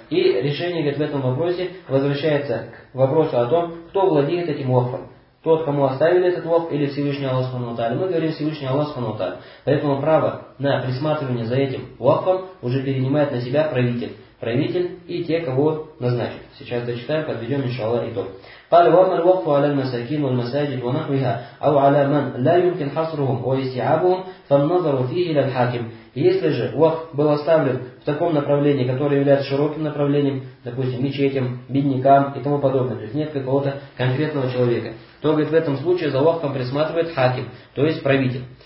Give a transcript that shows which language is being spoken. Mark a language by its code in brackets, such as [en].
[ru] И решение, говорит, в этом вопросе возвращается к вопросу о том, кто владеет этим вакфом. Тот, кому оставили этот вакф, или Всевышний Аллах Субхану ва Тааля. Мы говорим Всевышний Аллах Субхану ва Тааля. Поэтому право на присматривание за этим вакфом уже перенимает на себя правитель. Правитель и те, кого назначат. Сейчас дочитаем, подведем, иншаллах, итог. [ar] قال وما الوقف على المساكين والمساجد ونحوها أو على من لا يمكن حصرهم واستيعابهم فالنظر فيه إلى الحاكم. [ru] Если же وقف был оставлен в таком направлении, которое является широким направлением, допустим, мечетям, бедникам и тому подобное, то есть нет какого-то конкретного человека, то, говорит, в этом случае за вакфом присматривает хаким, то есть правитель.